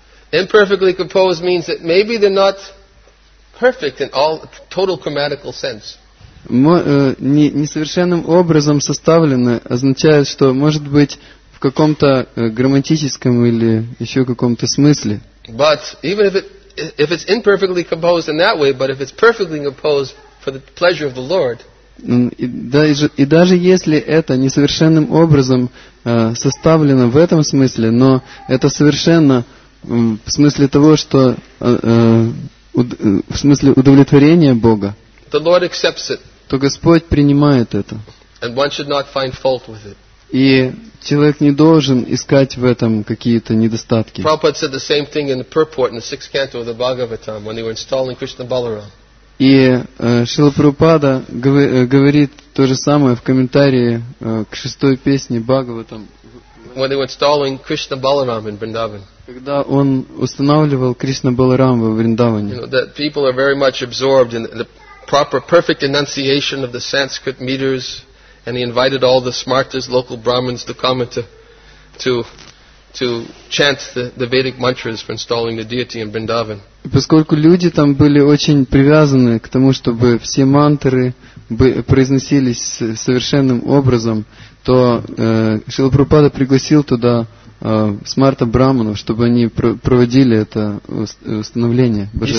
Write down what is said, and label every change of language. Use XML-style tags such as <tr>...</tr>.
<en>Imperfectly composed means that maybe they're not perfect in all total grammatical sense.</en> <ru>Несовершенным образом составлены означает, что может быть в каком-то грамматическом или еще каком-то смысле.</ru> <en>But even if it's imperfectly composed in that way, but if it's perfectly composed for the pleasure of the Lord.</en> <ru>И даже если это несовершенным образом составлено в этом смысле, но это совершенно в смысле того, что в смысле удовлетворения Бога.</ru> <en>The Lord accepts it.</en> <ru>То Господь принимает это.</ru> <en>And one should not find fault with it.</en> <ru>И человек не должен искать в этом какие-то недостатки.</ru> <en>Prabhupada said the same thing in the purport in the sixth canto of the Bhagavatam when they were installing Krishna Balaram.</en> <ru>И Шрила Прабхупада говорит то же самое в комментарии к шестой песне Бхагаватам.</ru> <en>When they were installing Krishna Balaram in Vrindavan.</en> <ru>Когда он устанавливал Кришна Баларам во Вриндаване.</ru> <en>You know, that people are very much absorbed in the proper perfect enunciation of the Sanskrit meters, and he invited all the smartest local Brahmins to come and to chant the Vedic mantras for installing the deity in Vrindavan.</en> <ru>Поскольку люди там были очень привязаны к тому, чтобы все мантры произносились совершенным образом, то Шрила Прабхупада пригласил туда смарта брахманов, чтобы они проводили это установление</ru>